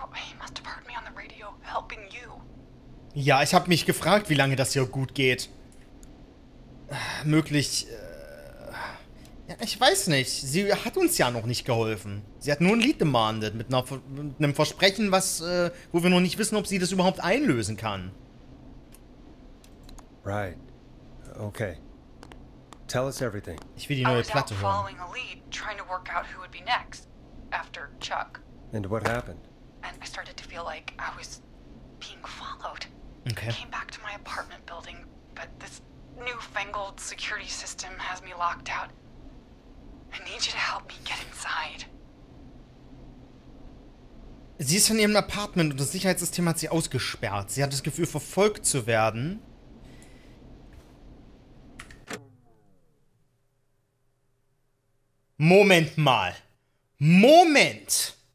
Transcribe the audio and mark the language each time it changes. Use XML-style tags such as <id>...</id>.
<en>He must have heard me on the radio helping you.</en> <de>Ja, ich habe mich gefragt, wie lange das hier gut geht. Möglich... Ja, ich weiß nicht. Sie hat uns ja noch nicht geholfen. Sie hat nur ein Lied demandet mit einem Versprechen, wo wir noch nicht wissen, ob sie das überhaupt einlösen kann.</de> <en>Right. Okay. Tell us everything.</en> <de>Ich will die neue Platte hören.</de> <en>I was out following a lead, trying to work out who would be next, after Chuck. And what happened? And I started to feel like I was being followed. Okay. I came back to my apartment building, but this newfangled security system has me locked out. I need you to help me get inside.</en> <de>Sie ist von ihrem Apartment und das Sicherheitssystem hat sie ausgesperrt. Sie hat das Gefühl, verfolgt zu werden. Moment mal. Moment!</de>